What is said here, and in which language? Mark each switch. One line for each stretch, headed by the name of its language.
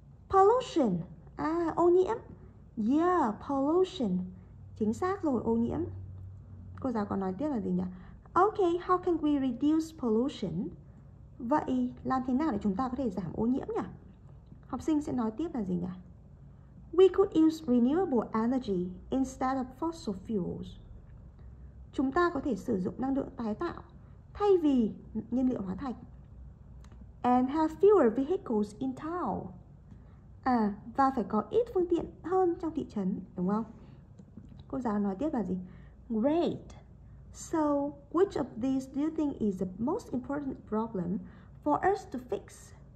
English: Pollution.
Vietnamese: À, ô nhiễm.
English: Yeah, pollution.
Vietnamese: Chính xác rồi, ô nhiễm. Cô giáo còn nói tiếp là gì nhỉ?
English: Okay, how can we reduce pollution?
Vietnamese: Vậy làm thế nào để chúng ta có thể giảm ô nhiễm nhỉ? Học sinh sẽ nói tiếp là gì nhỉ?
English: We could use renewable energy instead of fossil fuels.
Vietnamese: Chúng ta có thể sử dụng năng lượng tái tạo thay vì nhiên liệu hóa thạch.
English: And have fewer vehicles in town.
Vietnamese: À, và phải có ít phương tiện hơn trong thị trấn, đúng không? Cô giáo nói tiếp là gì? Great.
English: So, which of these do you think is the most important problem for us to fix?